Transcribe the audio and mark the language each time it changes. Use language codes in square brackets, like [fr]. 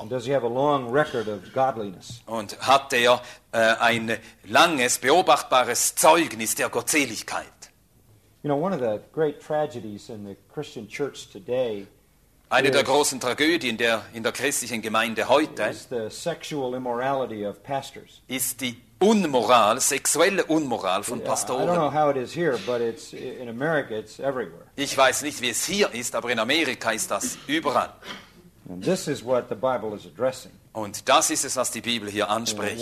[en] And does he have a long record of godliness? [de] Und hat ein langes, beobachtbares Zeugnis der Gottseligkeit? [en] You know, one of the great tragedies in the Christian church today. [de] Eine der großen Tragödien in der christlichen Gemeinde heute [en] is the sexual immorality of pastors. [de] Ist die Unmoral, sexuelle Unmoral von Pastoren. [en] I don't know how it is here, but it's in America, it's everywhere. [de] Ich weiß nicht, wie es hier ist, aber in Amerika ist das überall. [en] And this is what the Bible is addressing. [de] Und das ist es, was die Bibel hier anspricht.